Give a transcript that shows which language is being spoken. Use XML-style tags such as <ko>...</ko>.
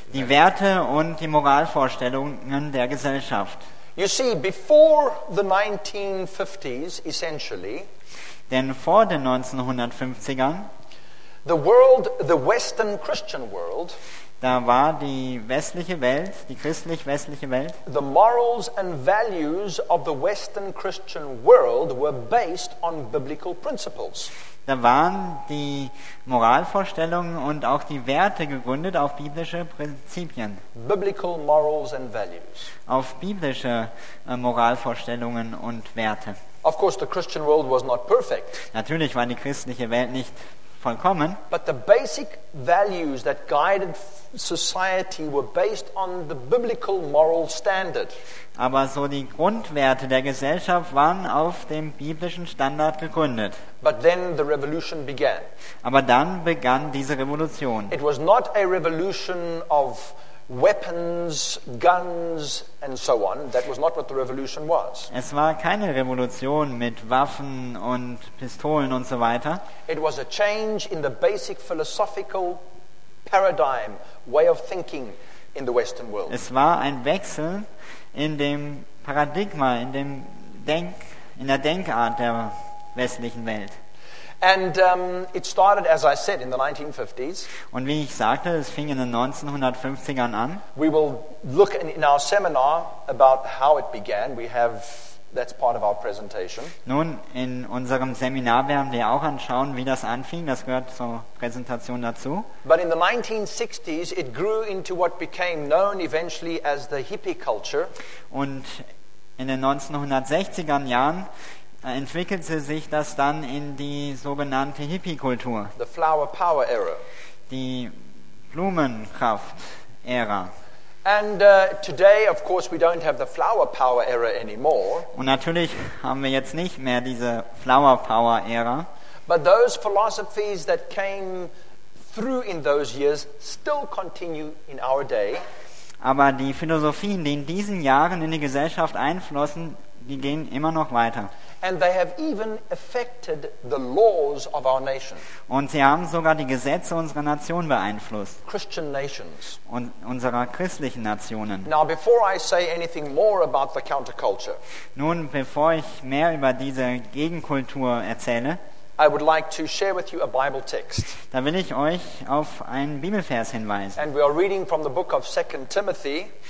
<de>Die Werte und die Moralvorstellungen der Gesellschaft.</de> <en>You see, before the 1950s essentially,</en> <de>denn vor den 1950ern,</de> <en>the world, the Western Christian world,</en> <de>da war die westliche Welt, die christlich-westliche Welt.</de> <en>The morals and values of the Western Christian world were based on biblical principles.</en> <de>Da waren die Moralvorstellungen und auch die Werte gegründet auf biblische Prinzipien.</de> <en>Biblical morals and values.</en> <de>Auf biblische Moralvorstellungen und Werte.</de> <en>Of course, the Christian world was not perfect.</en> <de>Natürlich war die christliche Welt nicht vollkommen.</de> <en>But the basic values that guided society were based on the biblical moral standard.</en> <de>Aber so die Grundwerte der Gesellschaft waren auf dem biblischen Standard gegründet.</de> <en>But then the revolution began.</en> <de>Aber dann begann diese Revolution.</de> <en>It was not a revolution of weapons, guns and so on. That was not what the revolution was.</en> <de>Es war keine Revolution mit Waffen und Pistolen und so weiter.</de> <en>It was a change in the basic philosophical paradigm, way of thinking in the Western world.</en> <de>Es war ein Wechsel in dem Paradigma, in dem in der Denkart der westlichen Welt.</de> <en>And it started, as I said, in the 1950s.</en> <de>Und wie ich sagte, es fing in den 1950ern an.</de> <en>We will look in our seminar about how it began. We have, that's part of our presentation.</en> <de>Nun, in unserem Seminar werden wir auch anschauen, wie das anfing. Das gehört zur Präsentation dazu.</de> <en>But in the 1960s, it grew into what became known eventually as the hippie culture.</en> <de>Und in den 1960ern Jahren entwickelte sich das dann in die sogenannte Hippie-Kultur.</de> <en>The flower power era.</en> <de>Die Blumenkraft-Ära.</de> <en>And today, of course, we don't have the flower power era anymore.</en> <de>Und natürlich haben wir jetzt nicht mehr diese</de> <en>flower power era. But those philosophies that came through in those years still continue in our day.</en> <de>Aber die Philosophien, die in diesen Jahren in die Gesellschaft einflossen, die gehen immer noch weiter.</de> <en>And they have even affected the laws of our nation.</en> <de>Und sie haben sogar die Gesetze unserer Nation beeinflusst.</de> <en>Christian nations.</en> <de>Und unserer christlichen Nationen.</de> <en>Now, before I say anything more about the counterculture,</en> <de>nun, bevor ich mehr über diese Gegenkultur erzähle,</de> <en>I would like to share with you a Bible text.</en> <de>Da will ich euch auf einen Bibelvers hinweisen.</de> <en>And we are reading from the book of 2 Timothy.</en>